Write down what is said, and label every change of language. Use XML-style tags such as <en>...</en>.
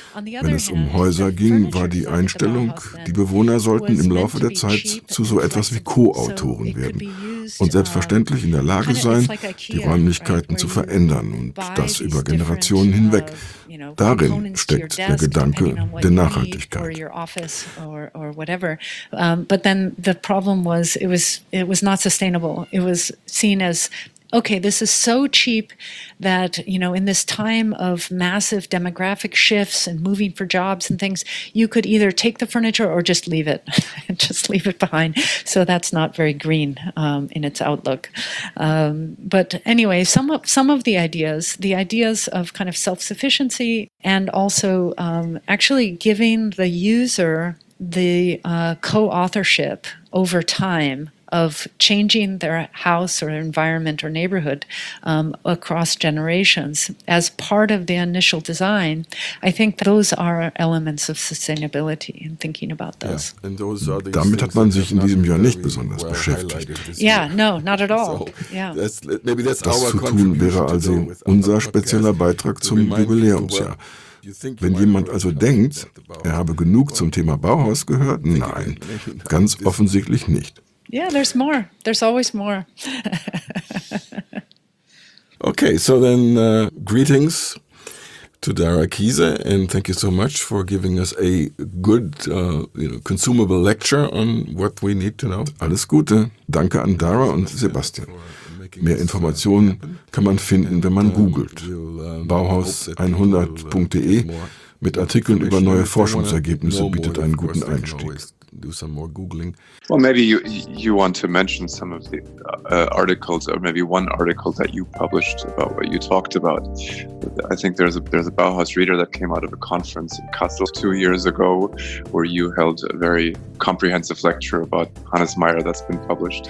<de>Wenn es um Häuser ging, war die Einstellung, die Bewohner sollten im Laufe der Zeit zu so etwas wie Co-Autoren werden und selbstverständlich in der Lage sein, die Räumlichkeiten zu verändern und das über Generationen hinweg. Darin steckt der Gedanke der Nachhaltigkeit.</de> <en>But then the problem was, it was not sustainable. It was seen as, okay, this is so cheap that, you know, in this time of massive demographic shifts and moving for jobs and things, you could either take the furniture or just leave it, just leave it behind. So that's not very green in its outlook. But anyway, some of the ideas of kind of self-sufficiency and also actually giving the user the co-authorship over time of changing their house or environment or neighborhood across generations as part of the initial design, I think those are elements of sustainability in thinking about those. Yeah. And those</en> <de>are Damit hat man sich in diesem Jahr nicht besonders beschäftigt.</de> <en>Yeah, no, not at all. Yeah.</en> <de>Das zu tun wäre also unser spezieller Beitrag zum Jubiläumsjahr. Wenn jemand also denkt, er habe genug zum Thema Bauhaus gehört, nein, ganz offensichtlich nicht.</de> <en>Yeah, there's more. There's always more. Okay, so then greetings to Dara Kiese, and thank you so much for giving us a good consumable lecture on what we need to know.</en> <de>Alles Gute. Danke an Dara und Sebastian. Mehr Informationen kann man finden, wenn man googelt. Bauhaus100.de mit Artikeln über neue Forschungsergebnisse bietet einen guten Einstieg.</de> <en>do some more Googling. Well, maybe you want to mention some of the articles, or maybe one article that you published about what you talked about. I think there's a Bauhaus reader that came out of a conference in Kassel 2 years ago where you held a very comprehensive lecture about Hannes Meyer that's been published.</en>